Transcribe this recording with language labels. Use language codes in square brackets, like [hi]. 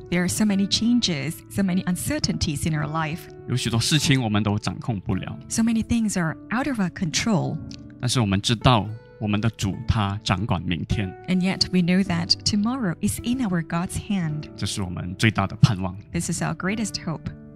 [en] There are so many changes, so many uncertainties in our life. [zh] 有许多事情我们都掌控不了。 [en] So many things are out of our control. [zh] 但是我们知道我们的主他掌管明天。 [en] And yet we know that tomorrow is in our God's hand. [zh] 这是我们最大的盼望。 [en] This is our greatest hope.